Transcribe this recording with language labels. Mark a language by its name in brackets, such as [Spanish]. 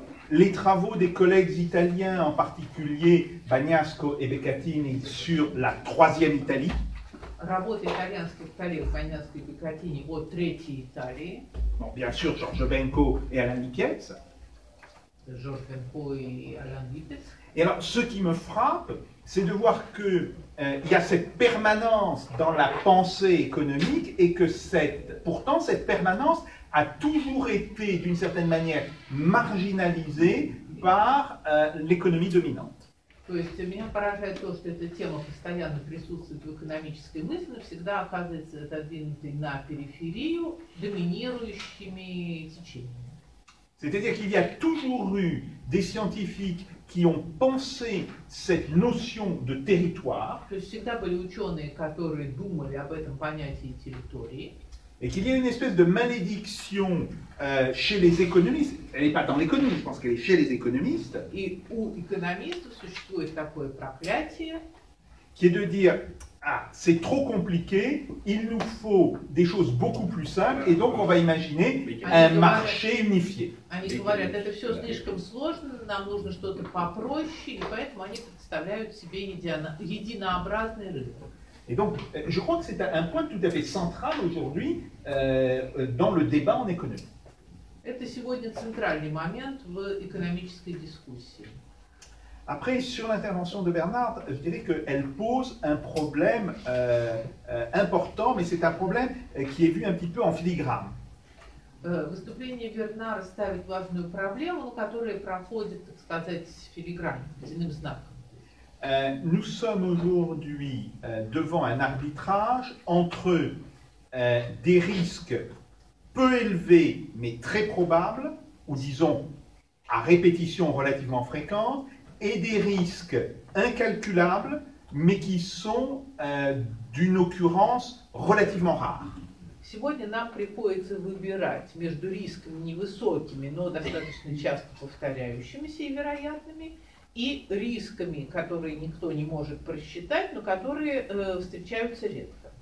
[French] Les travaux des collègues italiens, en particulier Bagnasco et Beccatini, sur la troisième Italie. [Russian] работы итальянских коллег в итальянской бюрократии от третьей Италии. [French] Bon, bien sûr, Giorgio Benco et Alain Lipietz. Giorgio Benco et Alain Lipietz. Et alors, ce qui me frappe, c'est de voir que il y a cette permanence dans la pensée économique et que cette, pourtant, cette permanence a toujours été, d'une certaine manière, marginalisée par l'économie dominante. [Russian] То есть меня поражает то, что эта тема постоянно присутствует в экономической мысли, но всегда оказывается отодвинутой на периферию доминирующими течениями. [French] C'est-à-dire qu'il y a toujours eu des scientifiques qui ont pensé cette notion de territoire. [Russian] То есть всегда были ученые, которые думали об этом понятии территории. [French] Et qu'il y a une espèce de malédiction chez les économistes. Elle n'est pas dans l'économie, je pense qu'elle est chez les économistes. Et où économistes [Russian] существует такое проклятие, [French] qui est de dire ah c'est trop compliqué, il nous faut des choses beaucoup plus simples, et donc on va imaginer un marché unifié. [Russian] Они говорят, это все слишком сложно, нам нужно что-то попроще, и поэтому они представляют себе единообразный рынок. [French] Et donc, je crois que c'est un point tout à fait central aujourd'hui dans le débat en économie. [Russian] Это сегодня центральный момент в экономической дискуссии. [French] Après, sur l'intervention de Bernard, je dirais qu'elle pose un problème important, mais c'est un problème qui est vu un petit peu en filigrane. [Russian] Выступление Бернара ставит важную проблему, которая проходит, так сказать, филигран, единым знаком. [French] Nous sommes aujourd'hui devant un arbitrage entre des risques peu élevés mais très probables, ou disons à répétition relativement fréquente, et des risques incalculables mais qui sont d'une occurrence relativement rare. [Russian] Сегодня нам приходится выбирать между рисками невысокими, но достаточно часто повторяющимися и вероятными, и рисками, которые никто не может просчитать, но которые встречаются редко.